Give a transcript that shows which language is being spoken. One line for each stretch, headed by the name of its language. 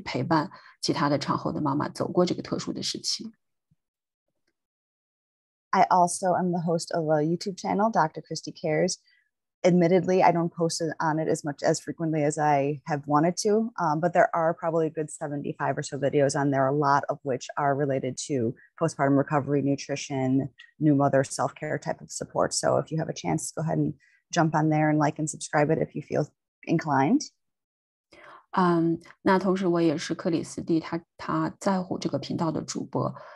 Chinese: 那我之前写的这本书叫《与混乱协调：通过生产与倦怠》，我不知道就是大家有多少人经历过这个，我自己当时是产后经历过这个很困难的时期，所以希望能够通过这本书一起陪伴其他的产后的妈妈走过这个特殊的时期。
English: I also am the host of a YouTube channel, Dr. Christy Cares. Admittedly, I don't post it on it as much as frequently as I have wanted to, but there are probably a good 75 or so videos on there, a lot of which are related to postpartum recovery, nutrition, new mother self-care type of support. So if you have a chance, go ahead and jump on there and like and subscribe it if you feel inclined.
Chinese: 那同时我也是克里斯蒂他在乎这个频道的主播。